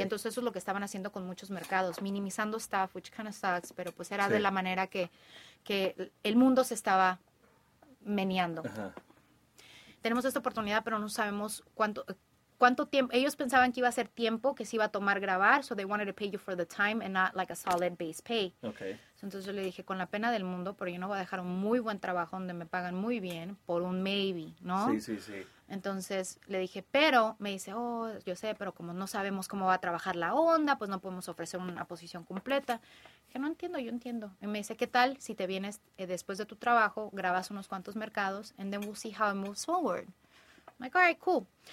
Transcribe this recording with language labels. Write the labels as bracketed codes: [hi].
[es] Y entonces eso es lo que estaban haciendo con muchos mercados, minimizando staff, [en] which kind of sucks, [es] pero pues era de la manera que el mundo se estaba meneando. Ajá. Tenemos esta oportunidad, pero no sabemos cuánto tiempo. Ellos pensaban que iba a ser tiempo, que se iba a tomar grabar. [en] So they wanted to pay you for the time and not like a solid base pay. Okay. [es] So entonces yo le dije, con la pena del mundo, pero yo no voy a dejar un muy buen trabajo donde me pagan muy bien por un maybe, ¿no? Sí, sí, sí. Entonces le dije, pero me dice, oh, yo sé, pero como no sabemos cómo va a trabajar la onda, pues no podemos ofrecer una posición completa. Dije, no entiendo, yo entiendo. Y me dice, ¿qué tal si te vienes después de tu trabajo, grabas unos cuantos mercados, [en] and then we'll see how it moves forward? I'm like, all right, cool.